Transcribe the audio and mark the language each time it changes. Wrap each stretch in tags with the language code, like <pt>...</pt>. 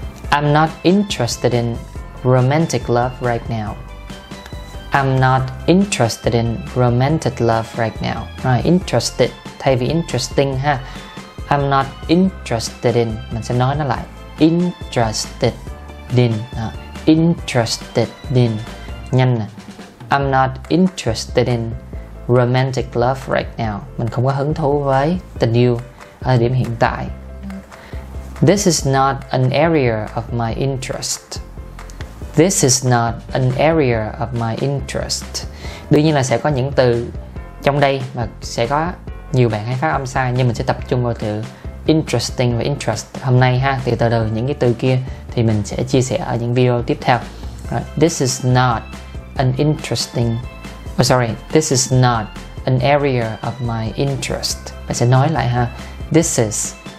<en>I'm not interested in romantic love right now. I'm not interested in romantic love right now.</en> <vi>Right, interested thay vì interesting ha.</vi> <en>I'm not interested in,</en> <vi>mình sẽ nói nó lại.</vi> <en>Interested in. Interested in.</en> <vi>Nhanh nè.</vi> <en>I'm not interested in romantic love right now.</en> <vi>Mình không có hứng thú với tình yêu ở thời điểm hiện tại.</vi> <en>This is not an area of my interest. This is not an area of my interest.</en> <vi>Đương nhiên là sẽ có những từ trong đây mà sẽ có nhiều bạn hay phát âm sai, nhưng mình sẽ tập trung vào từ interesting và interest hôm nay ha. Thì từ từ những cái từ kia thì mình sẽ chia sẻ ở những video tiếp theo.</vi> <en>Right. This is not an interesting, oh sorry, this is not an area of my interest.</en> <vi>Mình sẽ nói lại ha.</vi> <en>This is.</en>